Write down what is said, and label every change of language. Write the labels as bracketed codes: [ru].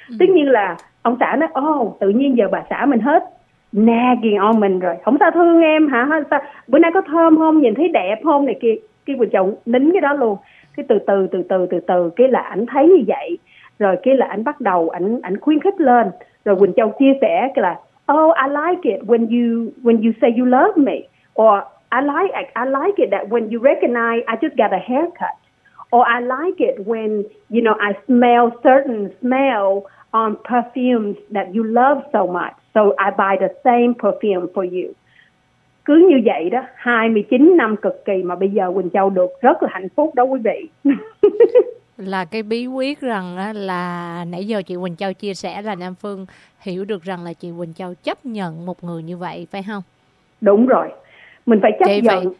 [vi] Tất nhiên là ông xã nói, ồ, tự nhiên giờ bà xã mình hết [en] nagging on [vi] mình rồi, không sao thương em hả, sao bữa nay có thơm không, nhìn thấy đẹp không này kia. Cái Quỳnh Châu nín cái đó luôn. Cái từ từ cái là ảnh thấy như vậy. Rồi cái là anh bắt đầu anh khuyến khích lên. Rồi Quỳnh Châu chia sẻ cái là [en] oh, I like it when you say you love me. Or I like it that when you recognize I just got a haircut. Or I like it when, you know, I smell certain smell on perfumes that you love so much. So I buy the same perfume for you. [vi] Cứ như vậy đó, 29 năm cực kỳ mà bây giờ Quỳnh Châu được rất là hạnh phúc đó quý vị. Là cái bí quyết rằng là nãy giờ chị Quỳnh Châu chia sẻ là Nam Phương hiểu được rằng là chị Quỳnh Châu chấp nhận một người như vậy, phải không? Đúng rồi, mình phải chấp nhận.